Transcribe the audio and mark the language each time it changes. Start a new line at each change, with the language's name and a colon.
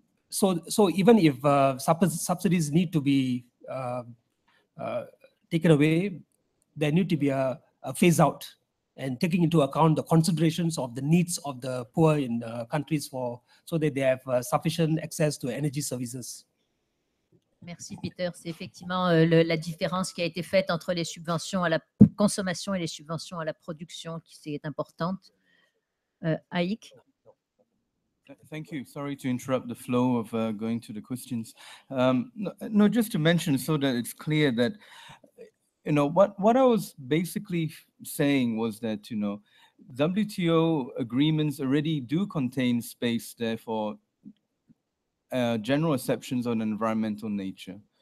English: So even if subsidies need to be taken away, there need to be a phase out and taking into account the considerations of the needs of the poor in the countries so that they have sufficient access to energy services.
French: Merci Peter. C'est effectivement la différence qui a été faite entre les subventions à la consommation et les subventions à la production qui est importante. Aïk.
English: Thank you. Sorry to interrupt the flow of going to the questions. No, just to mention so that it's clear that, you know, what I was basically saying was that, you know, WTO agreements already do contain space there for general exceptions on environmental nature.